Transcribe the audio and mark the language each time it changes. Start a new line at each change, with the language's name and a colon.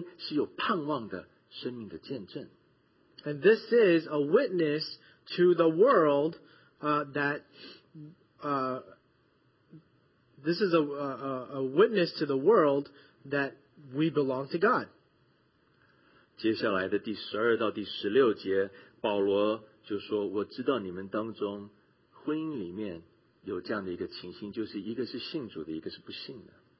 Chinese: 这是让世人能够看见属神的儿女，主耶稣基督的教会是那圣洁蒙恩是有盼望的生命的见证。
English: And this is a witness to the world that we belong to God.
Chinese: 接下来的第12到第16节，保罗。就说我知道你们当中婚姻里面有这样的一个情形，就是一个是信主的，一个是不信的。